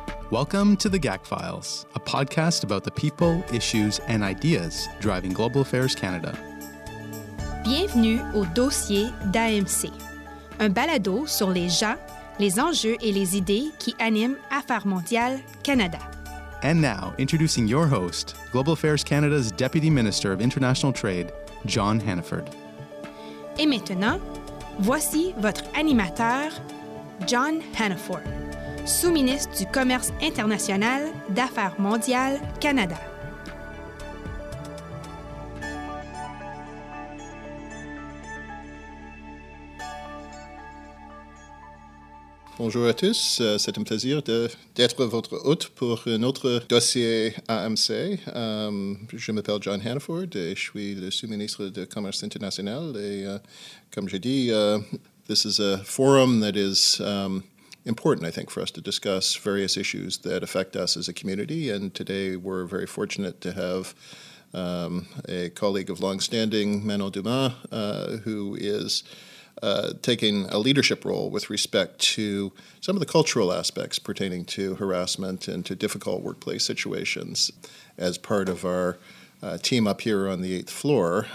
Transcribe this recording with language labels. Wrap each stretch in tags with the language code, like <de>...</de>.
<en>Welcome to The GAC Files, a podcast about the people, issues, and ideas driving Global Affairs Canada.</en> <fr>Bienvenue au dossier d'AMC, un balado sur les gens, les enjeux et les idées qui animent Affaires mondiales Canada.</fr> <en>And now, introducing your host, Global Affairs Canada's Deputy Minister of International Trade, John Hannaford.</en> <fr>Et maintenant, voici votre animateur, John Hannaford, sous-ministre du Commerce international d'Affaires mondiales Canada. Bonjour à tous. C'est un plaisir d'être votre hôte pour un autre dossier AMC. Je m'appelle John Hannaford et je suis le sous-ministre du Commerce international. Et comme j'ai dit,</fr> <en>this is a forum that is important, I think, for us to discuss various issues that affect us as a community. And today we're very fortunate to have a colleague of long standing, Manon Dumas, who is taking a leadership role with respect to some of the cultural aspects pertaining to harassment and to difficult workplace situations as part of our team up here on the eighth floor.</en>